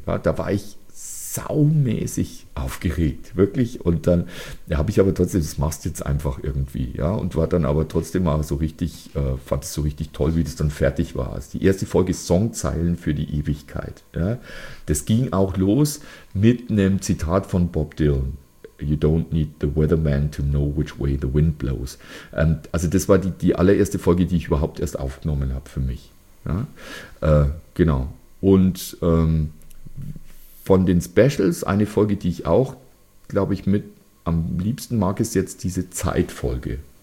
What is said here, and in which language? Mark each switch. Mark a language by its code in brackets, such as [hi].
[de] Ja, da war ich saumäßig aufgeregt, wirklich. Und dann habe ich aber trotzdem, das machst du jetzt einfach irgendwie. Ja, und war dann aber trotzdem mal so richtig, fand es so richtig toll, wie das dann fertig war. Also die erste Folge ist Songzeilen für die Ewigkeit. Ja, das ging auch los mit einem Zitat von Bob Dylan. [en] You don't need the weatherman to know which way the wind blows. [de] Also das war die allererste Folge, die ich überhaupt erst aufgenommen habe für mich. Ja? Genau. Und von den Specials, eine Folge, die ich auch, glaube ich, mit am liebsten mag, ist jetzt diese Zeitfolge.